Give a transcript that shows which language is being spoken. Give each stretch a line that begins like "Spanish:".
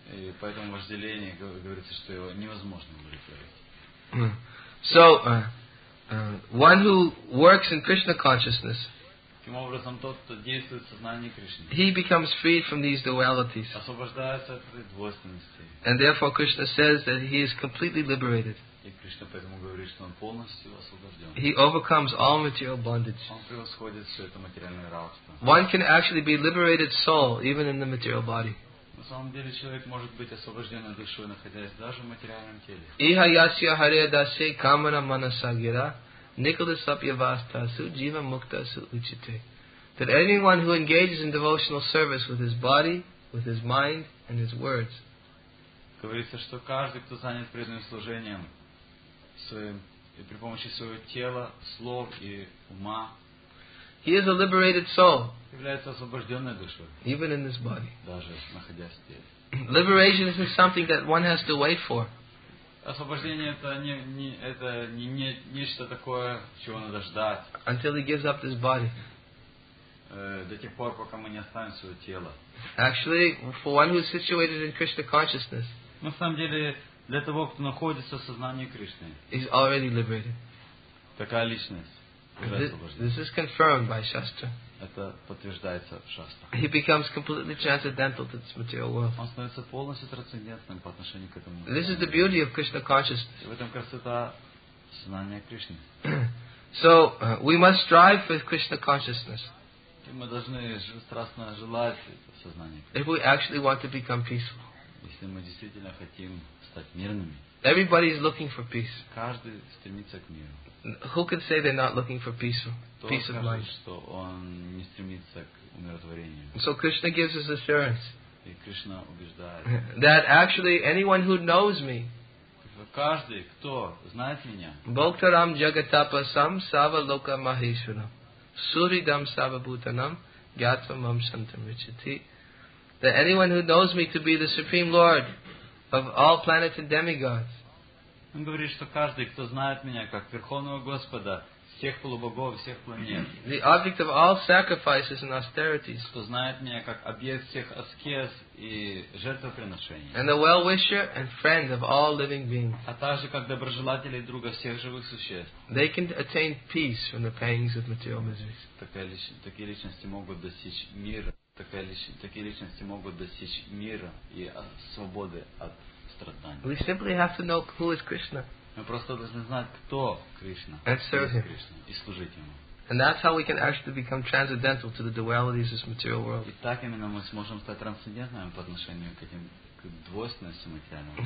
Russian: И поэтому вожделение говорится, что его невозможно удовлетворить.
English: So, one who works in Krishna consciousness.
Russian: Таким образом, тот, кто действует в сознании Кришны,
English: he becomes freed from these dualities.
Russian: Освобождается от этой двойственности.
English: And therefore Krishna says that he is completely liberated.
Russian: И Кришна поэтому говорит, что он полностью освобожден.
English: He overcomes all material bondage.
Russian: Он превосходит все это материальное рабство.
English: One can actually be liberated soul even in the material body.
Russian: На самом деле человек может быть освобожденной душой, находясь даже в материальном теле.
Sanskrit: Иха ясья харе дасе камана манасагира.
English: That anyone who engages in devotional service with his body, with his mind, and his words,
Russian: говорится, что каждый, кто занят преданным служением своим и при помощи своего тела, слов и ума,
English: he is a liberated soul,
Russian: является освобожденной душой,
English: even in this body.
Russian: Даже находясь в теле.
English: Liberation isn't something that one has to wait for.
Russian: Освобождение это не нечто такое, чего надо ждать.
English: Until he gives up his body.
Russian: До тех пор, пока мы не оставим свое тело.
English: Actually, for one who is situated in Krishna consciousness.
Russian: На самом деле, для того, кто находится в сознании Кришны.
English: Is already liberated.
Russian: Такая личность.
English: This is confirmed by Shastra.
Russian: Это подтверждается в шастрах.
English: He becomes completely transcendental to this material world.
Russian: Он становится полностью трансцендентным по отношению к этому.
English: This is the beauty of Krishna consciousness.
Russian: В этом красота сознания Кришны.
English: So we must strive for Krishna consciousness.
Russian: И мы должны страстно желать сознания Кришны.
English: If we actually want to become peaceful.
Russian: Если мы действительно хотим стать мирными.
English: Everybody is looking for peace.
Russian: Каждый стремится к миру.
English: Who can say they're not looking for peaceful? Peace of mind.
Russian: Что он не стремится к умиротворению.
English: So Krishna gives his assurance.
Russian: И Кришна убеждает.
English: That actually anyone who knows me.
Russian: Каждый, кто знает меня.
Sanskrit: Боктарам джагатапа сам сава лока махишванам. Суридам сава бутанам гятвам вам шантам ричати.
English: That anyone who knows me to be the Supreme Lord of all planets and demigods.
Russian: Он говорит, что каждый, кто знает меня как Верховного Господа, всех полубогов, всех планет.
English: The object of all sacrifices and austerities.
Russian: Кто знает меня как объект всех аскез и жертвоприношений.
English: And the well-wisher and friend of all living beings.
Russian: А также как доброжелателя и друга всех живых существ.
English: They can attain peace from the pangs of material miseries.
Russian: Такие личности могут достичь мира. Такие личности могут достичь мира и свободы от страданий.
English: We simply have to know who is Krishna.
Russian: Мы просто должны знать, кто Кришна.
English: And serve him.
Russian: Кришна, и служить ему.
English: And that's how we can actually become transcendental to the dualities of this material world.
Russian: И так именно мы сможем стать трансцендентными по отношению к этим двойственностям материального.